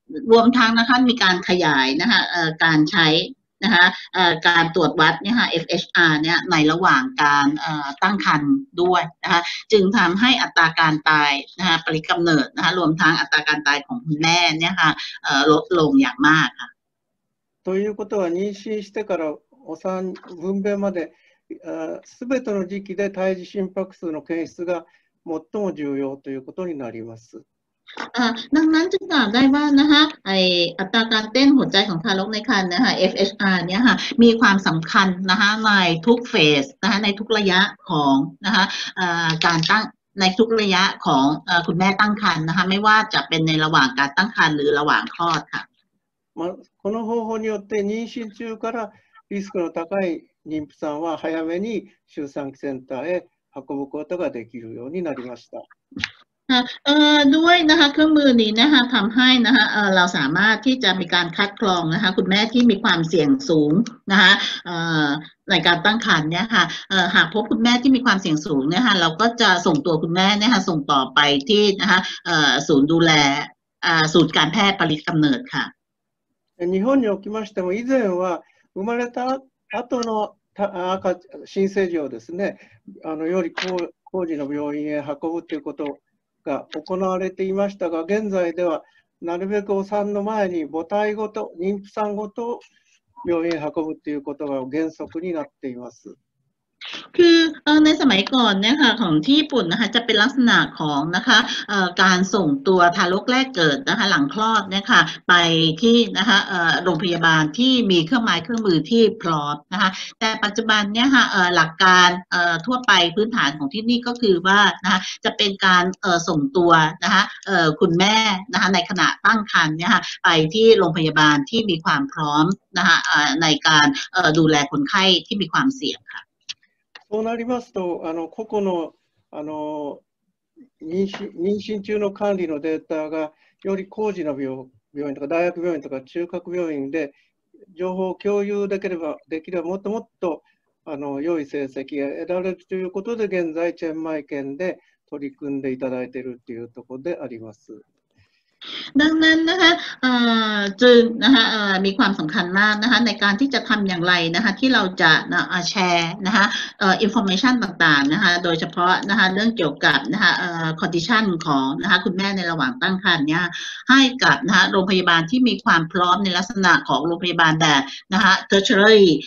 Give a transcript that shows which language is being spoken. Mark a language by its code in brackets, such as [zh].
[th] รวมทั้งนะคะมีการขยายนะคะการใช้นะคะการตรวจวัดเนี่ยค่ะ FHR เนี่ยในระหว่างการตั้งครรภ์ด้วยนะคะจึงทำให้อัตราการตายนะคะปริกำเนิดนะคะรวมทั้งอัตราการตายของคุณแม่เนี่ยค่ะลดลงอย่างมากค่ะ [ja] ということは妊娠してからお産分娩まで全ての時期で胎児心拍数の検出が最も重要ということになります [th] ดังนั้นจึงกล่าวได้ว่านะคะไออัตราการเต้นหัวใจของทารกในครรภ์นะคะ FHR เนี่ยค่ะมีความสำคัญนะคะในทุกเฟสนะคะในทุกระยะของนะคะการตั้งในทุกระยะของคุณแม่ตั้งครรภ์นะคะไม่ว่าจะเป็นในระหว่างการตั้งครรภ์หรือระหว่างคลอดค่ะ [ja] มาこの方法によって妊娠中からリスクの高い妊婦さんは早めに出産センターへ運ぶことができるようになりました [th] ด้วยนะคะเครื่องมือนี้นะคะทำให้นะคะเราสามารถที่จะมีการคัดกรองนะคะคุณแม่ที่มีความเสี่ยงสูงนะคะในการตั้งครรภ์เนี่ยค่ะหากพบคุณแม่ที่มีความเสี่ยงสูงเนี่ยค่ะเราก็จะส่งตัวคุณแม่เนี่ยค่ะส่งต่อไปที่นะคะศูนย์ดูแลศูนย์การแพทย์ปริกำเนิดค่ะ [ja] 日本におきましても以前は生まれた後の新生児をですねより高次の病院へ運ぶということをが行われていましたが、現在ではなるべくお産の前に母体ごと妊婦さんごと病院へ運ぶということが原則になっています。 [th] คือในสมัยก่อนเนี่ยค่ะของที่ญี่ปุ่นนะคะจะเป็นลักษณะของนะคะการส่งตัวทารกแรกเกิดนะคะหลังคลอดเนี่ยค่ะไปที่นะคะโรงพยาบาลที่มีเครื่องไม้เครื่องมือที่พร้อมนะคะแต่ปัจจุบันเนี่ยค่ะหลักการทั่วไปพื้นฐานของที่นี่ก็คือว่านะคะจะเป็นการส่งตัวนะคะคุณแม่นะคะในขณะตั้งครรภ์เนี่ยค่ะไปที่โรงพยาบาลที่มีความพร้อมนะคะในการดูแลคนไข้ที่มีความเสี่ยงค่ะ [ja] そうなりますと、個々の、妊娠中の管理のデータがより高次の 病院とか大学病院とか中核病院で情報を共有できればもっともっと良い成績が得られるということで現在チェンマイ県で取り組んでいただいているというところであります。 [th] ดังนั้นนะคะจึงนะคะมีความสำคัญมากนะคะในการที่จะทำอย่างไรนะคะที่เราจะแชร์นะคะอินโฟเมชันต่างๆนะคะโดยเฉพาะนะคะเรื่องเกี่ยวกับนะคะคอนดิชันของนะคะคุณแม่ในระหว่างตั้งครรภ์เนี่ยให้กับนะคะโรงพยาบาลที่มีความพร้อมในลักษณะของโรงพยาบาลแบบนะคะ tertiary